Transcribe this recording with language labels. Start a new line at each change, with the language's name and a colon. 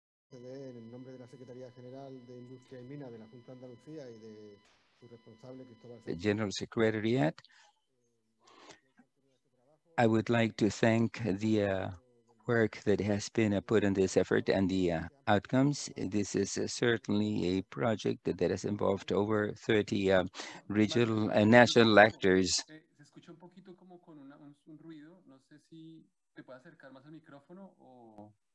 Spanish: En el nombre de la Secretaría General de Industria y Minas de la Junta de Andalucía y de su responsable Cristóbal
English: Sánchez. The General Secretariat. I would like to thank the work that has been put in this effort and the outcomes. This is certainly a project that has involved over 30 regional and national actors.
Spanish: Se escucha un poquito como con un ruido. No sé si te puede acercar más al micrófono o...